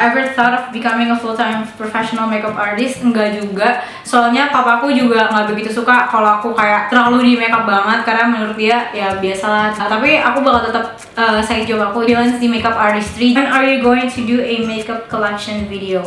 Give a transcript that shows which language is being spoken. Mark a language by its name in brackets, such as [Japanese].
[English] Ever thought of becoming a full-time professional makeup artist? [Indonesian] Enggak juga, soalnya papaku juga nggak begitu suka kalau aku kayak terlalu di makeup banget karena menurut dia ya biasalah. Tapi aku bakal tetap [English] side job [Indonesian] aku freelance di makeup artistry. [English] When are you going to do a makeup collection video?